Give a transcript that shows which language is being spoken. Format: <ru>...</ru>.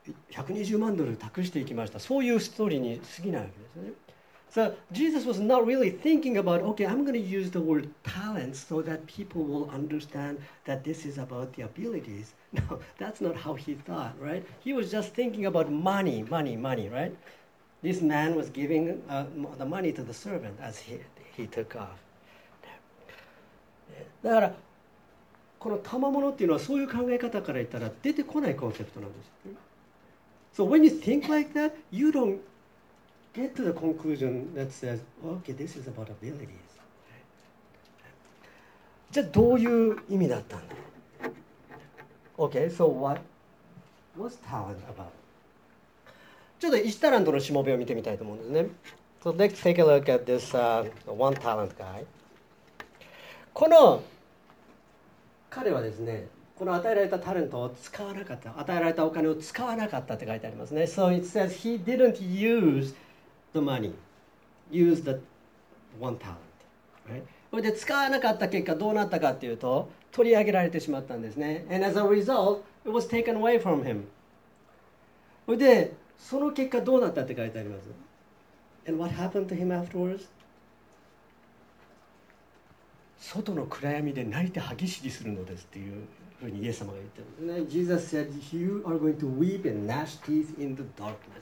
<ja>120万ドル託していきました。そういうストーリーに過ぎないわけですね。</ja> <en>So Jesus was not really thinking about, okay, I'm going to use the word talents so that people will understand that this is about the abilities. No, that's not how he thought, right? He was just thinking about money, money, money, right? This man was giving the money to the servant as he took off.</en> <ja>だから、この賜物っていうのはそういう考え方から言ったら出てこないコンセプトなんです。</ja> <en>So when you think like that, you don't... get to the conclusion that says, okay, this is about abilities.</en> <ja>じゃあどういう意味だったんだ?</ja> <en>Okay, so what was talent about?</en> <ja>ちょっと一タラントのしもべを見てみたいと思うんですね。</ja> <en>So let's take a look at this one talent guy.</en> <ja>この彼はですね、この与えられたタレントを使わなかった、与えられたお金を使わなかったって書いてありますね。</ja> <en>So it says he didn't useThe money, use the one talent, right?</en> <ja>それで使わなかった結果どうなったかっていうと取り上げられてしまったんですね。</ja> <en>And as a result, it was taken away from him.</en> <ja>それでその結果どうなったって書いてあります。</ja> <en>And what happened to him afterwards?</en> <ja>外の暗闇で泣いて歯ぎしりするのですっていうふうにイエス様が言ってる。</ja> <en>And Jesus said, "You are going to weep and gnash teeth in the darkness."</en>